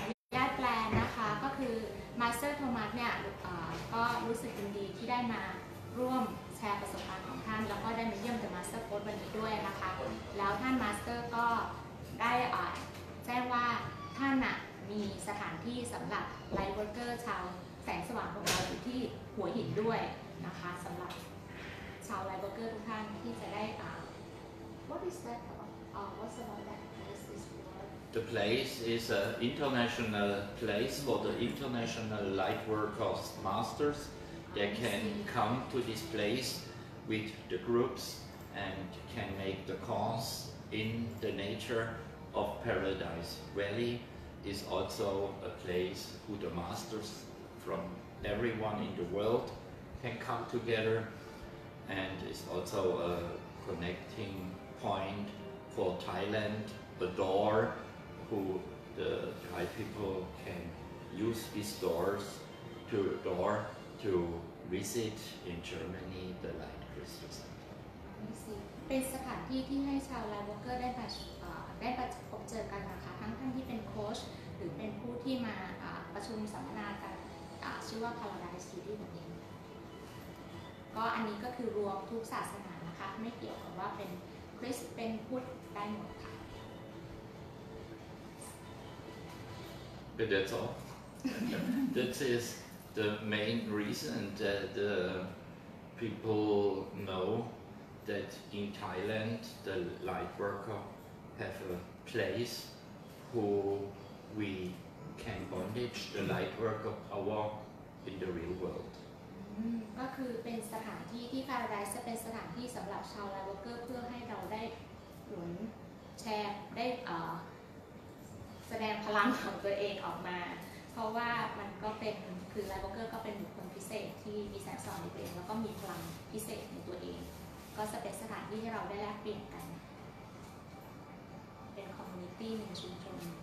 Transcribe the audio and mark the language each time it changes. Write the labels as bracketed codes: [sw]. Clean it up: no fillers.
[th] Master Thomas เนี่ยก็รู้สึกยินดีที่ได้มาร่วมแชร์ประสบการณ์ของท่านแล้วก็ได้มาเยี่ยม The Master Coach วันนี้ด้วยนะคะแล้วท่าน Master ก็ได้แจ้งว่าท่านน่ะมีสถานที่สำหรับ Light Worker ชาวแสงสว่างของเราอยู่ที่หัวหินด้วยนะคะสำหรับชาว Light Worker ทุกท่านที่จะได้ [en] What is that? What's about that place is for? The place is an international place for the international lightworkers masters. They can come to this place with the groups and can make the course in the nature of Paradise Valley. It's also a place who the masters from everyone in the world can come together. And it's also a connecting point for Thailand, a door. Who the Thai people can use these doors to door to visit in Germany the light crystals. [th] เป็นสถานที่ที่ให้ชาวไลท์เวิร์กเกอร์ได้มาได้พบเจอกันนะคะทั้งท่านที่เป็นโค้ชหรือเป็นผู้ที่มาประชุมสัมมนากันชื่อว่า Paradise City แบบนี้ก็อันนี้ก็คือรวมทุกศาสนานะคะไม่เกี่ยวกับว่าเป็นคริสเป็นพุทธได้หมดค่ะ [en] But that's all. That is the main reason that the people know that in Thailand the light worker have a place who we can bondage the light worker power in the real world. [th] ก็คือเป็นสถานที่ที่ Paradise จะเป็นสถานที่สำหรับชาวไลท์เวิร์กเกอร์เพื่อให้เราได้หลุนแชร์ได้แสดงพลังของตัวเองออกมาเพราะว่ามันก็เป็นคือไลท์เวิร์กเกอร์ก็เป็นบุคคลพิเศษที่มีแสงส่องในตัวเองแล้วก็มีพลังพิเศษในตัวเองก็จะเป็นสถานที่ให้เราได้แลกเปลี่ยนกันเป็นคอมมูนิตี้ในชุมชน